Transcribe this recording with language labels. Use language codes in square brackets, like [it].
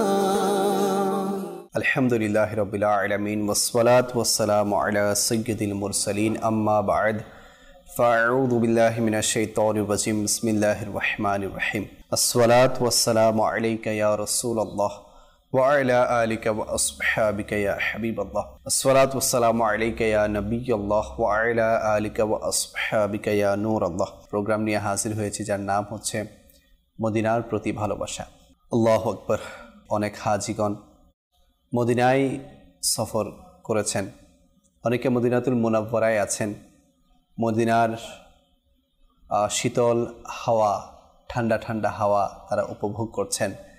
[ar] আলহামদুলিল্লাহ রাব্বিল আলামিন, ওয়াসসালাতু ওয়াসসালামু আলা সাইয়্যিদিল মুরসালিন, আম্মা বা'দ। فأعوذ بالله من الشيطان الرجيم, بسم الله الرحمن الرحيم, الصلاة والسلام عليك يا رسول الله وعلى آلك وأصحابك يا حبيب الله, الصلاة والسلام عليك يا نبي الله وعلى آلك وأصحابك يا نور الله। [bn] প্রোগ্রাম নিয়ে হাজির হয়েছে যার নাম হচ্ছে মদিনার প্রতি ভালোবাসা। আল্লাহু আকবার। অনেক হাজিগণ মদিনায় সফর করেছেন, অনেকে মদিনাতুল মুনাওয়ারায় আছেন। মদিনার শীতল হাওয়া, ঠান্ডা ঠান্ডা হাওয়া তারা উপভোগ করছেন।